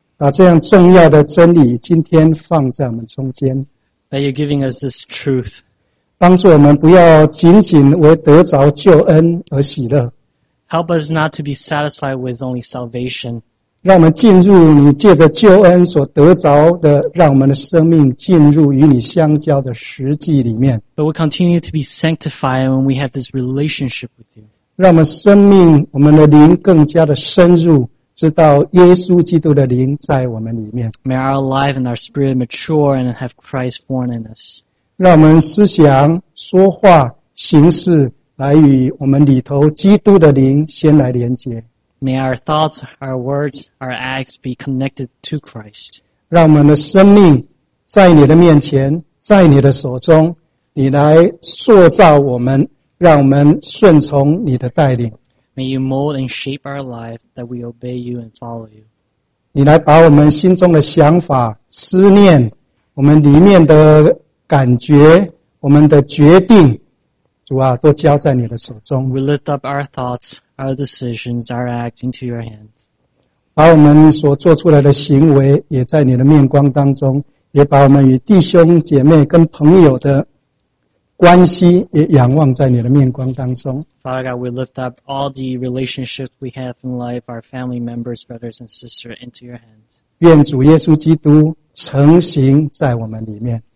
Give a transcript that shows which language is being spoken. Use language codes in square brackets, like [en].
[zh] 把这样重要的真理今天放在我们中间。 [en] That you're giving us this truth. [zh] 帮助我们不要仅仅为得着救恩而喜乐。 [en] Help us not to be satisfied with only salvation. [zh] 让我们进入你借着救恩所得着的，让我们的生命进入与你相交的实际里面。 [en] But we continue to be sanctified when we have this relationship with you. [zh] 让我们生命，我们的灵更加的深入，知道耶稣基督的灵在我们里面。 [en] May our life and our spirit mature and have Christ formed in us. [zh] 让我们思想、说话、行事来与我们里头基督的灵先来连接。 [en] May our thoughts, our words, our acts be connected to Christ. [zh] 让我们的生命在你的面前，在你的手中，你来塑造我们，让我们顺从你的带领。 [en] May you mold and shape our life that we obey you and follow you. [zh] 你来把我们心中的想法、思念、我们里面的感觉、我们的决定，主啊，都交在你的手中。 [en] We lift up our thoughts, our decisions, our acts into your hands. [zh] 把我们所做出来的行为也在你的面光当中，也把我们与弟兄姐妹跟朋友的关系也仰望在你的面光当中。 [en] Father God, we lift up all the relationships we have in life, our family members, brothers and sisters, into your hands. [zh] 愿主耶稣基督成形在我们里面。